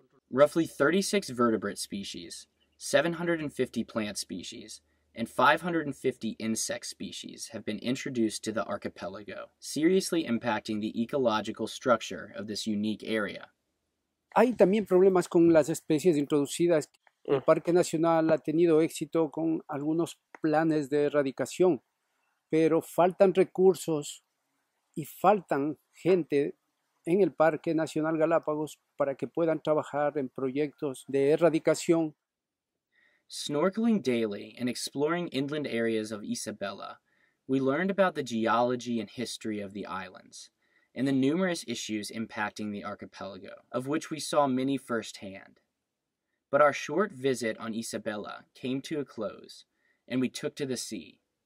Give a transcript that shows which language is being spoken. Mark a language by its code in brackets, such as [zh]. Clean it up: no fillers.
[en] Roughly 36 vertebrate species, 750 plant species, and 550 insect species have been introduced to the archipelago, seriously impacting the ecological structure of this unique area. [es] Hay también problemas con las especies introducidas. El Parque Nacional ha tenido éxito con algunos planes de erradicación, pero faltan recursos y faltan gente en el Parque Nacional Galápagos para que puedan trabajar en proyectos de erradicación. [en] Snorkeling daily and exploring inland areas of Isabela, we learned about the geology and history of the islands, and the numerous issues impacting the archipelago, of which we saw many firsthand. But our short visit on Isabela came to a close, and we took to the sea.